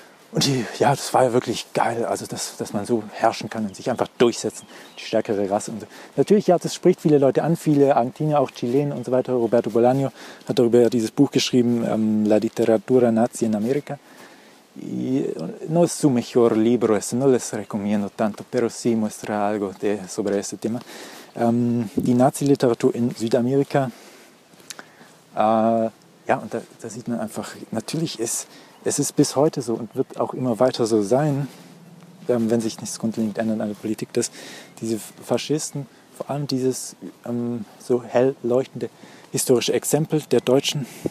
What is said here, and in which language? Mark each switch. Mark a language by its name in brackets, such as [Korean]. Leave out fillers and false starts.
[German] Und die, ja, das war ja wirklich geil, also dass man so herrschen kann und sich einfach durchsetzen, die stärkere Rasse und so. Natürlich, ja, das spricht viele Leute an, viele Argentinier, auch Chilen und so weiter. Roberto Bolaño hat darüber ja dieses Buch geschrieben, La Literatura Nazi in Amerika. [Spanish] No es su mejor libro, es no les recomiendo tanto, pero sí muestra algo de sobre este tema. [German] Die Nazi-Literatur in Südamerika, ja, und da sieht man einfach, natürlich ist... Es ist bis heute so und wird auch immer weiter so sein, wenn sich nichts grundlegend ändert an der Politik, dass diese Faschisten, vor allem dieses so hell leuchtende historische Exempel der Deutschen